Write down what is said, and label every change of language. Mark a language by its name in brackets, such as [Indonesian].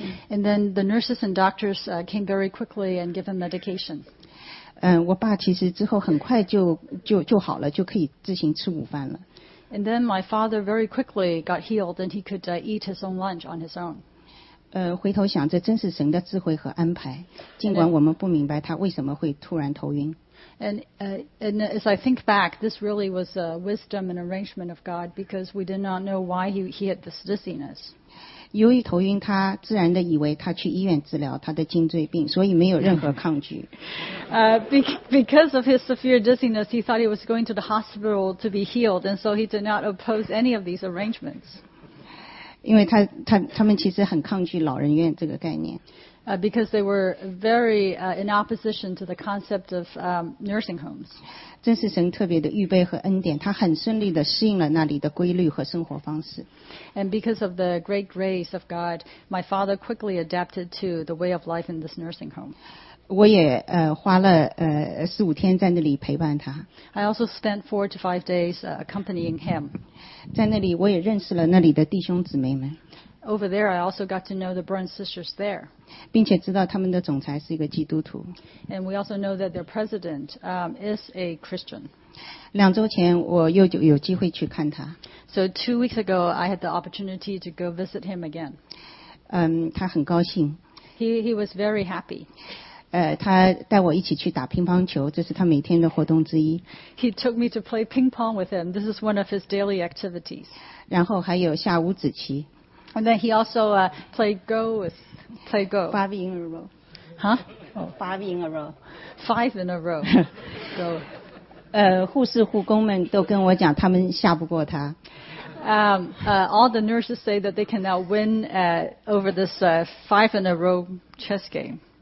[English] And then the nurses and doctors came very quickly and give him medication. [Chinese] 我爸其实之后很快就好了，就可以自行吃午饭了。 [English] And then my father very quickly got healed, and he could eat his own lunch on his own. [Chinese] 回头想，这真是神的智慧和安排。尽管我们不明白他为什么会突然头晕。 [English] And as I think back, this really was a wisdom and arrangement of God because we did not know why he had this dizziness. [Chinese] 由于头晕，他自然的以为他去医院治疗他的颈椎病，所以没有任何抗拒。 [English] Because of his severe dizziness, he thought he was going to the hospital to be healed, and so he did not oppose any of these arrangements. [Chinese] 因为他们其实很抗拒老人院这个概念。 [English] Because they were very in opposition to the concept of nursing homes. [Chinese] 真是神特别的预备和恩典，他很顺利地适应了那里的规律和生活方式。 [English] And because of the great grace of God, my father quickly adapted to the way of life in this nursing home. [Chinese] 我也花了四五天在那里陪伴他。 [English] I also spent 4 to 5 days accompanying him. [Chinese] 在那里，我也认识了那里的弟兄姊妹们。 [English] over there, I also got to know the Brun sisters there. [Chinese] 并且知道他们的总裁是一个基督徒。 [English] And we also know that their president, is a Christian. [Chinese] 两周前我又有机会去看他。 [English] So 2 weeks ago, I had the opportunity to go visit him again. [Chinese] 他很高兴。 [English] He was very happy. [Chinese] 他带我一起去打乒乓球，这是他每天的活动之一。 [English] He took me to play ping pong with him. This is one of his daily activities. [Chinese] 然后还有下五子棋。 [English] And then he also played Go. Five in a row. Huh? Five in a row. Five in a row. Go. [Chinese] 护士护工们都跟我讲他们下不过他。 [English] All the nurses say that they cannot win over this five in a row chess game.